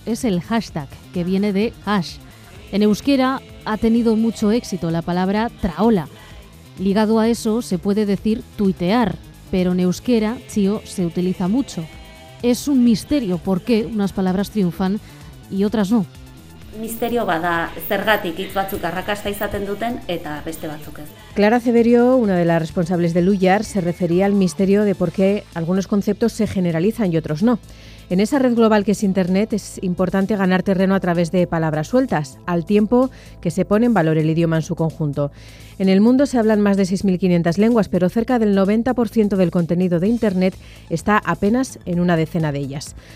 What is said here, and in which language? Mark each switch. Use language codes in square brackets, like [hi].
[es] Es el hashtag, que viene de hash. En euskera ha tenido mucho éxito la palabra traola. Ligado a eso se puede decir tuitear, pero en euskera, tío, se utiliza mucho. Es un misterio por qué unas palabras triunfan y otras no. [eu] Misterio bada, zergatik hitz batzuk arrakasta izaten duten eta beste batzuk ez. [es] Clara Ceverio, una de las responsables del UIAR, se refería al misterio de por qué algunos conceptos se generalizan y otros no. En esa red global que es Internet, es importante ganar terreno a través de palabras sueltas, al tiempo que se pone en valor el idioma en su conjunto. En el mundo se hablan más de 6.500 lenguas, pero cerca del 90% del contenido de Internet está apenas en una decena de ellas.